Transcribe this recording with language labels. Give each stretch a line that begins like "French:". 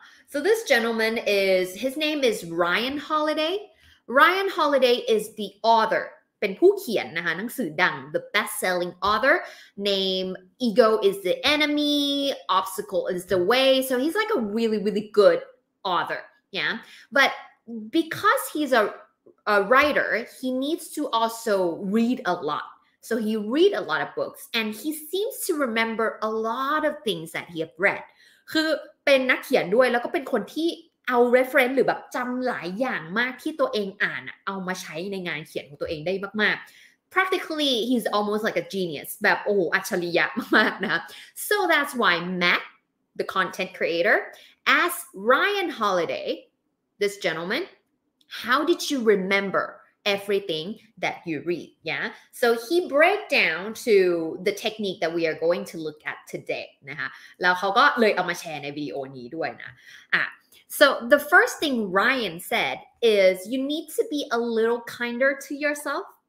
English: So this gentleman is, his name is Ryan Holiday. Ryan Holiday is the author.
Thai: เป็นผู้เขียนนะคะหนังสือดัง
English: The best-selling author. Name, Ego is the Enemy. Obstacle is the Way. So he's like a really, really good author. Yeah. But because he's a writer, he needs to also read a lot. So he read a lot of books and he seems to remember a lot of things that he have read.
Thai: คือเป็นนักเขียนด้วยแล้วก็เป็นคนที่เอา reference หรือแบบจำหลายอย่างมากที่ตัวเองอ่านเอามาใช้ในงานเขียนของตัวเองได้มากๆ
English: Practically, he's almost like a genius.
Thai: แบบโอ้อัจฉริยะมากนะ
English: So that's why Matt, the content creator, asked Ryan Holiday, this gentleman, how did you rememberEverything that you read, yeah. So he break down to the technique that we are going to look at today, นะคะ
Thai: แล้วเขาก็เลยเอามาแชร์ในวิดีโอนี้ด้วยนะ
English: So the first thing Ryan said is you need to be a little kinder to yourself.